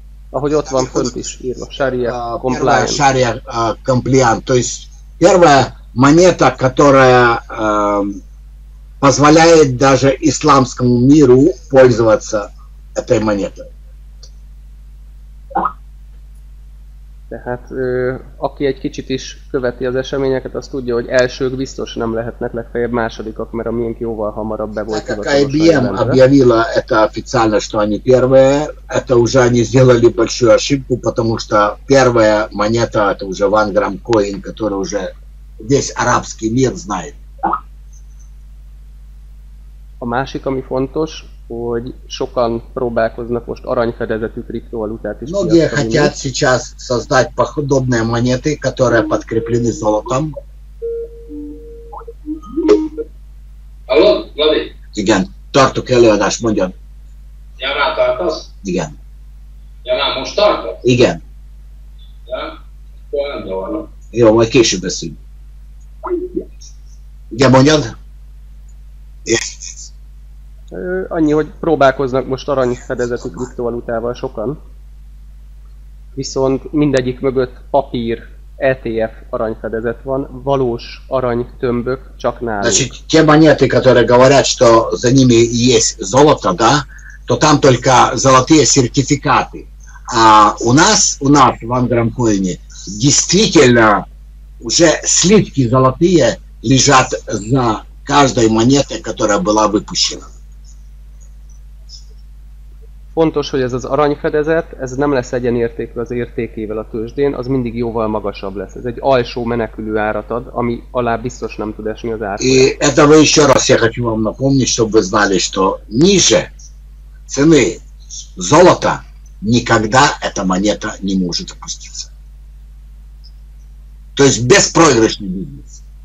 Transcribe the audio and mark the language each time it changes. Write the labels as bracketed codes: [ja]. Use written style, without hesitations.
[hu] Ahogy ott van fönt is írva, Sharia compliant. [ru] Первая Sharia compliant, то есть первая монета, которая позволяет даже исламскому миру пользоваться этой монетой. [hu] Tehát, aki egy kicsit is követi az eseményeket, az tudja, hogy elsők biztos nem lehetnek, legfeljebb másodikak, mert a miénk jóval hamarabb be volt. [ru] Так, IBM объявила это официально, что они первые. Это уже они сделали большую ошибку, потому что первая монета, это уже Wangram Coin, который уже весь арабский мир знает. [hu] A másik, ami fontos, hogy sokan próbálkoznak most aranyfedezetű kriptovalutát is. [ru] Многие хотят сейчас создать подобные монеты, которые подкреплены золотом. Алло, Влади. [hu] Igen, tartok előadás, mondjam. Jánál tartasz? Igen. Jánál most tartasz? Igen. Ja, jó, majd később beszélünk. Igen, mondjad? Annyi, hogy próbálkoznak most aranyfedezetű kriptovalutával sokan, viszont mindegyik mögött papír, ETF aranyfedezet van, valós aranytömbök csak náluk. [ru] Значит, те монеты, которые говорят, что за ними есть золото, да, то там только золотые сертификаты. А у нас в Wangram Coin действительно уже слитки золотые лежат за каждой монетой, которая была выпущена. [hu] Fontos, hogy ez az aranyfedezet, ez nem lesz egyenértékű az értékével a tőzsdén, az mindig jóval magasabb lesz. Ez egy alsó menekülő árat ad, ami alá biztos nem tud esni az árfolyam. És ezt még egyszer szeretném vám napomni, [ru] чтобы вы знали, что ниже цены золота никогда эта монета не может опуститься. То есть беспроигрышный бизнес.